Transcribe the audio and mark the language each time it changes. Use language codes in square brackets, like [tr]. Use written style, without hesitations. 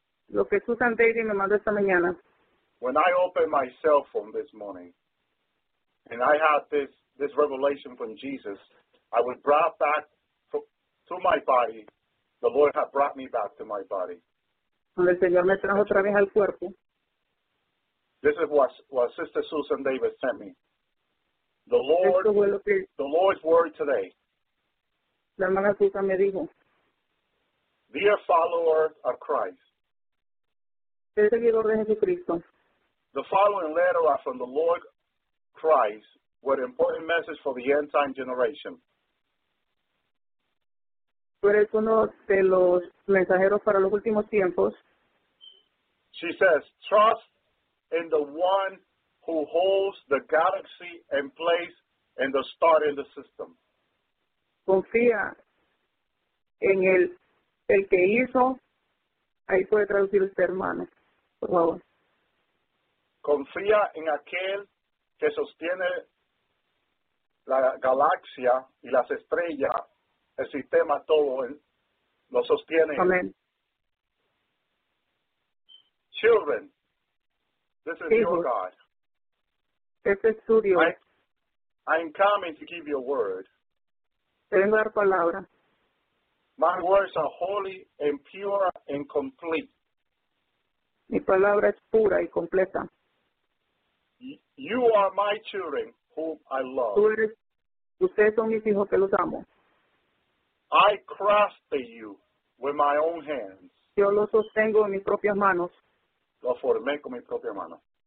[es] Lo que Susan David me mandó esta mañana. [en] When I opened my cell phone this morning, and I had this revelation from Jesus, I was brought back to my body. The Lord had brought me back to my body. [es] Cuando el Señor me trajo otra vez al cuerpo. [en] This is what Sister Susan David sent me. The Lord's word today. [es] La hermana Susan me dijo. [en] Dear follower of Christ. [es] El seguidor de Jesucristo. [en] The following letter are from the Lord Christ with an important message for the end time generation. [es] Tú eres uno de los mensajeros para los últimos tiempos. [en] She says, trust in the one who holds the galaxy in place and the star in the system. [es] Confía en el que hizo. Ahí puede traducir usted, hermano, por favor. Confía en aquel que sostiene la galaxia y las estrellas, el sistema todo lo sostiene. Amén. [en] Children, this is your God. [es] Este es tu Dios. [en] I am coming to give you a word. [es] Tengo la palabra. [en] My words are holy and pure and complete. [es] Mi palabra es pura y completa. [en] You are my children whom I love. [es] Ustedes son mis hijos que los amo. [en] I crafted you with my own hands. [es] Yo los sostengo en mis propias manos. Lo formé con mis propias manos.